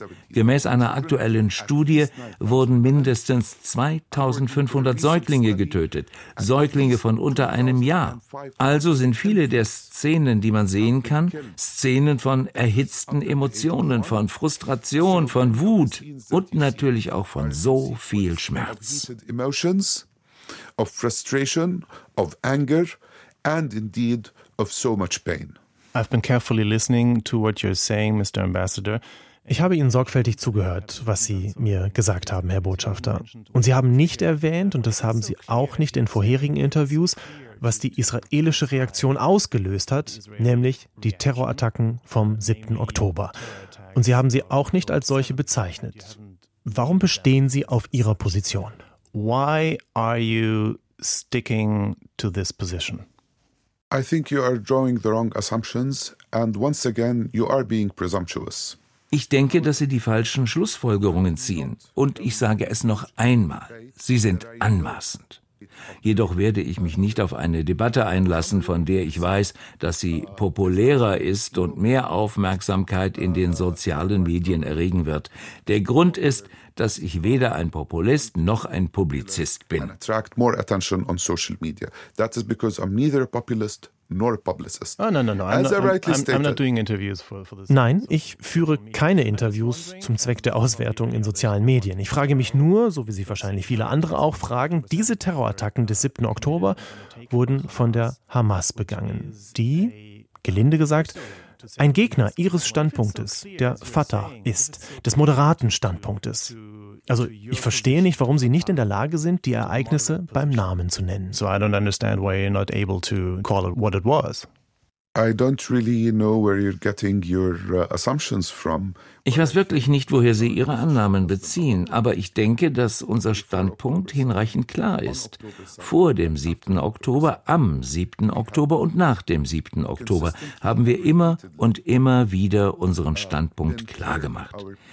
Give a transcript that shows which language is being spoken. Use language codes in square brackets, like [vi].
[de] Gemäß einer aktuellen Studie wurden mindestens 2.500 Säuglinge getötet, Säuglinge von unter einem Jahr. Also sind viele der Szenen, die man sehen kann, Szenen von erhitzten Emotionen, von Frustration, von Wut und natürlich auch von so viel Schmerz. [en] Emotions of frustration, of anger and indeed of so much pain. I've been carefully listening to what you're saying, Mr. Ambassador. [de] Ich habe Ihnen sorgfältig zugehört, was Sie mir gesagt haben, Herr Botschafter. Und Sie haben nicht erwähnt, und das haben Sie auch nicht in vorherigen Interviews, was die israelische Reaktion ausgelöst hat, nämlich die Terrorattacken vom 7. Oktober. Und Sie haben sie auch nicht als solche bezeichnet. Warum bestehen Sie auf Ihrer Position? [en] Why are you sticking to this position? I think you are drawing the wrong assumptions and once again you are being presumptuous. [de] Ich denke, dass Sie die falschen Schlussfolgerungen ziehen. Und ich sage es noch einmal, Sie sind anmaßend. Jedoch werde ich mich nicht auf eine Debatte einlassen, von der ich weiß, dass sie populärer ist und mehr Aufmerksamkeit in den sozialen Medien erregen wird. Der Grund ist, dass ich weder ein Populist noch ein Publizist bin. [en] Attract more attention on social media. That is because I'm neither a populist nor a publicist. Oh, no. I'm not doing interviews for this. [de] Nein, ich führe keine Interviews zum Zweck der Auswertung in sozialen Medien. Ich frage mich nur, so wie Sie wahrscheinlich viele andere auch fragen, diese Terrorattacken des 7. Oktober wurden von der Hamas begangen, die, gelinde gesagt, ein Gegner Ihres Standpunktes, der Fatah ist, des moderaten Standpunktes. Also, ich verstehe nicht, warum Sie nicht in der Lage sind, die Ereignisse beim Namen zu nennen. [en] So I don't understand why you're not able to call it what it was. I don't really know where you're getting your assumptions from. [de] Ich weiß wirklich nicht, woher Sie Ihre Annahmen beziehen, aber ich denke, dass unser Standpunkt hinreichend klar ist. Vor dem 7. Oktober, am 7. Oktober und nach dem 7. Oktober haben wir immer und immer wieder unseren Standpunkt klargemacht.